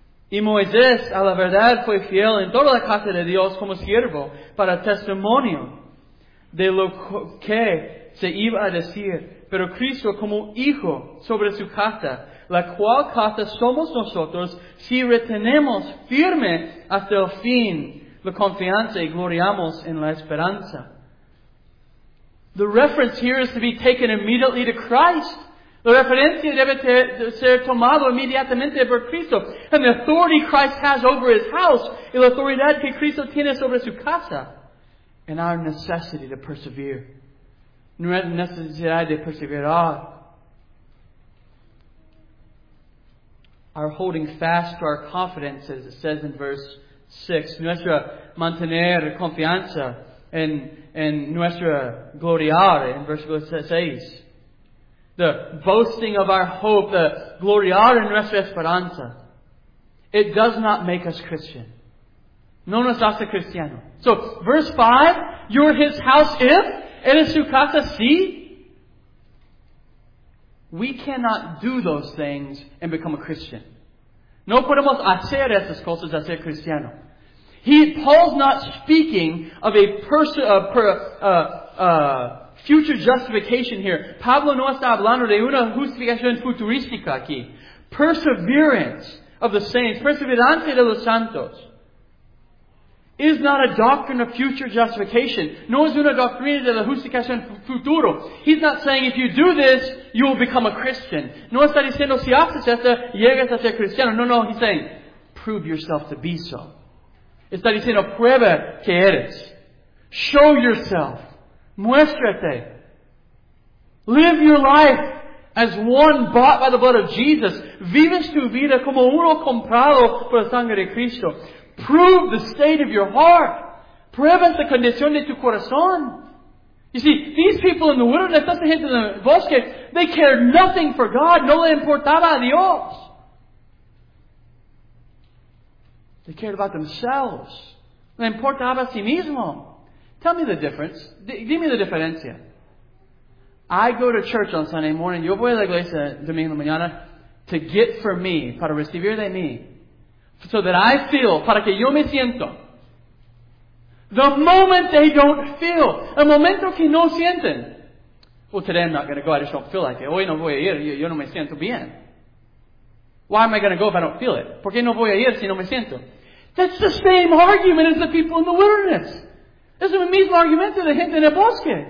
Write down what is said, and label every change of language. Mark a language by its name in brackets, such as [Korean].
[Spanish] Y Moisés, a la verdad, fue fiel en toda la casa de Dios como siervo para testimonio de lo que se iba a decir. Pero Cristo como hijo sobre su casa, la cual casa somos nosotros si retenemos firme hasta el fin la confianza y gloriamos en la esperanza. [English] The reference here is to be taken immediately to Christ. [Spanish] La referencia debe ser tomada inmediatamente por Cristo. [English] And the authority Christ has over His house. [Spanish] Y la autoridad que Cristo tiene sobre su casa. [English] And our necessity to persevere. [Spanish] Nuestra necesidad de perseverar. [English] Our holding fast to our confidence, as it says in verse 6. [Spanish] Nuestra mantener confianza en nuestra gloriar, [English] in verse 6. The boasting of our hope, the [Spanish] gloriar en nuestra esperanza. [English] It does not make us Christian. [Spanish] No nos hace cristiano. [English] So, verse 5, you're His house if, [Spanish] eres su casa si. [English] We cannot do those things and become a Christian. [Spanish] No podemos hacer esas cosas a ser cristiano. [English] Paul's not speaking of a person, future justification here. [Spanish] Pablo no está hablando de una justificación futurística aquí. [English] Perseverance of the saints, [Spanish] perseverancia de los santos, [English] is not a doctrine of future justification, nor is [Spanish] una doctrina de la justificación futuro. [English] He's not saying if you do this, you will become a Christian. [Spanish] No está diciendo si haces esto, llegas a ser cristiano. [English] No, he's saying, prove yourself to be so. [Spanish] Está diciendo, prueba que eres. [English] Show yourself. [Spanish] Muéstrate. [English] Live your life as one bought by the blood of Jesus. [Spanish] Vives tu vida como uno comprado por la sangre de Cristo. [English] Prove the state of your heart. [Spanish] Pruebas la condición de tu corazón. [English] You see, these people in the wilderness, [Spanish] esta gente en el bosque, [English] they cared nothing for God. [Spanish] No le importaba a Dios. [English] They cared about themselves. [Spanish] Le importaba a sí mismo. [English] Tell me the difference. [Spanish] Dime la diferencia. [English] I go to church on Sunday morning. [Spanish] Yo voy a la iglesia domingo mañana [English] to get for me, [Spanish] para recibir de mí. [English] So that I feel, [Spanish] para que yo me siento. [English] The moment they don't feel, [Spanish] el momento que no sienten, [English] well, today I'm not going to go, I just don't feel like it. [Spanish] Hoy no voy a ir, yo no me siento bien. [English] Why am I going to go if I don't feel it? [Spanish] ¿Por qué no voy a ir si no me siento? [English] That's the same argument as the people in the wilderness. [Spanish] Es el mismo argumento de gente en el bosque.